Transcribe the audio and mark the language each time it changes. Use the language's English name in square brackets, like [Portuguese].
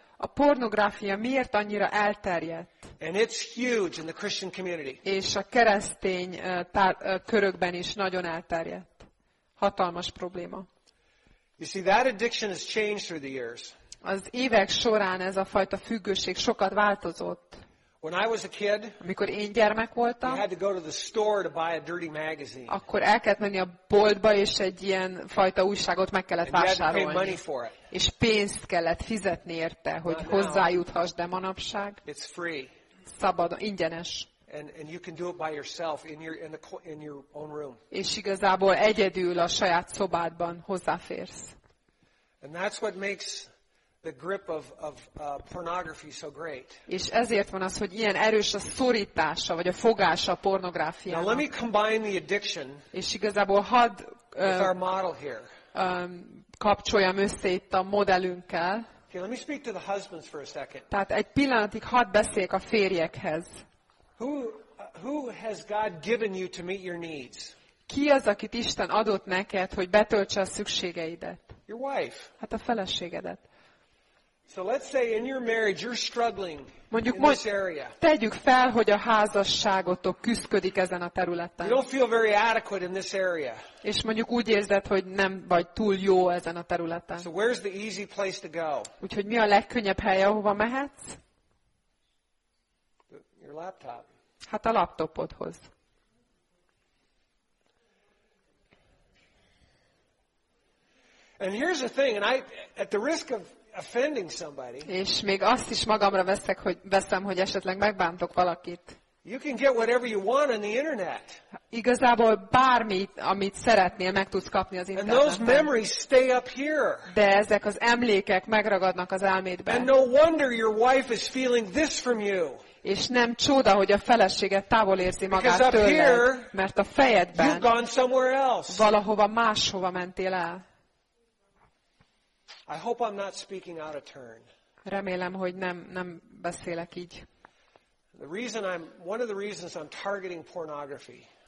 [Hungarian] A pornográfia miért annyira elterjedt? [English] And it's huge in the Christian community. [Hungarian] És a keresztény körökben is nagyon elterjedt. Hatalmas probléma. [English] You see, that addiction has changed through the years. [Hungarian] Az évek során ez a fajta függőség sokat változott. [English] When I was a kid, [Hungarian] amikor én gyermek voltam, [English] you had to go to the store to buy a dirty magazine. [Hungarian] Akkor el kellett menni a boltba, és egy ilyen fajta újságot meg kellett vásárolni. [English] And you had to pay money for it. [Hungarian] És pénzt kellett fizetni érte, hogy hozzájuthass, de manapság. [English] It's free. [Hungarian] Szabad, ingyenes. [English] And you can do it by yourself in your own room. [Hungarian] És igazából egyedül a saját szobádban hozzáférsz. [English] And that's what makes the grip of pornography so great. [Hungarian] És ezért van az, hogy ilyen erős a szorítása vagy a fogása a pornográfiának. [English] Now let me combine the addiction. [Hungarian] És igazából hadd [English] with our model here. [Hungarian] Kapcsoljam össze itt a modellünkkel. [English] Okay, let me speak to the husbands for a second. [Hungarian] Tehát egy pillanatig hadd beszéljek a férjekhez. [English] Who has God given you to meet your needs? [Hungarian] Ki az, akit Isten adott neked, hogy betöltse a szükségeidet? [English] Your wife. [Hungarian] Hát a feleségedet. [English] So let's say in your marriage you're struggling. [Hungarian] Mondjuk [English] in this area. [Hungarian] Tegyük fel, hogy a házasságotok küzdik ezen a területen. [English] You don't feel very adequate in this area. [Hungarian] És mondjuk úgy érzed, hogy nem vagy túl jó ezen a területen. [English] So where's the easy place to go? [Hungarian] Úgyhogy mi a legkönnyebb hely, ahova mehetsz? [English] Your laptop. [Hungarian] Hát a laptopodhoz. [English] And here's the thing, and I at the risk of offending somebody. [Hungarian] És még azt is magamra veszem, hogy esetleg megbántok valakit. [English] You can get whatever you want on the internet. [Hungarian] Igazából bármit, amit szeretnél, meg tudsz kapni az interneten. [English] And those memories stay up here. [Hungarian] De ezek az emlékek megragadnak az elmédben. [English] And no wonder your wife is feeling this from you. [Hungarian] És nem csoda, hogy a feleséged távol érzi magát tőled, mert a fejedben valahova máshova mentél el. [English] I hope I'm not speaking out of turn. [Hungarian] Remélem, hogy nem beszélek így. [English] The reason I'm one of the reasons I'm targeting pornography.